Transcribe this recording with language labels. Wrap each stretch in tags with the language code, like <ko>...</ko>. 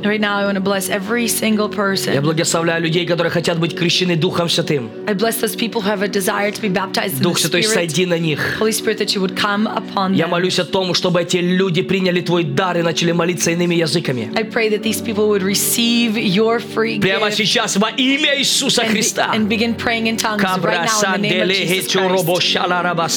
<en>Right now I want to bless every single person.</en> <ru>Я благословляю людей, которые хотят быть крещены Духом Святым.</ru> <en>I bless those people who have a desire to be baptized in</en> <ru>Дух</ru> <en>the Spirit.</en> <ru>Дух Святой, сойди на них.</ru> <en>Holy Spirit, that you would come upon them.</en> <ru>Я молюсь о том, чтобы эти люди приняли твой дар и начали молиться иными языками.</ru> <en>I pray that these people would receive your free gift.</en> <ru>Прямо сейчас во имя Иисуса Христа.</ru> <en>And begin praying in tongues right now in the name of Jesus Christ.</en>